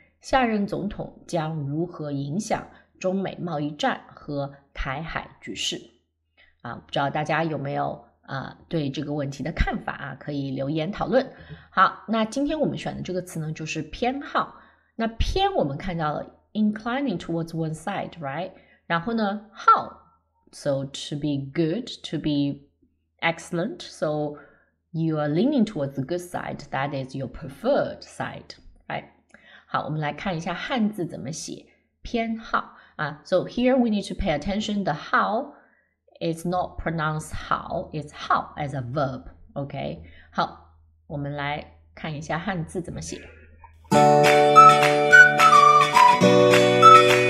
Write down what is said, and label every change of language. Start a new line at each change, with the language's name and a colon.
Chinese: 下任总统将如何影响中美贸易战和台海局势？啊，不知道大家有没有对这个问题的看法啊，可以留言讨论。好，那今天我们选的这个词呢，就是偏好。那偏我们看到了
English: inclining towards one side, right?
Chinese: 然后呢，好
English: so to be good, to be excellent, so you are leaning towards the good side, that is your preferred side, right?
Chinese: 好，我们来看一下汉字怎么写偏好啊。
English: So here we need to pay attention the how. It's not pronounced how, it's how as a verb, okay?
Chinese: 好，我们来看一下汉字怎么写。